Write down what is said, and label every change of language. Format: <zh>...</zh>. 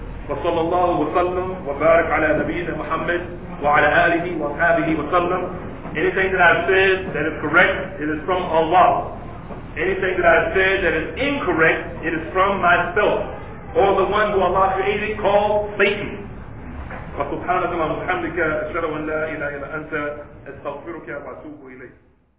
<ar>وصلى الله وسلم وبارك على نبينا محمد وعلى آله وصحبه وسلم.</ar> <en>Anything that I've said that is correct, it is from Allah. Anything that I've said that is incorrect, it is from myself or the one who Allah created called Satan.</en> <ar>وسبحانك اللهم وبحمدك أشهد أن لا إله إلا أنت أستغفرك وأتوب إليك.</ar>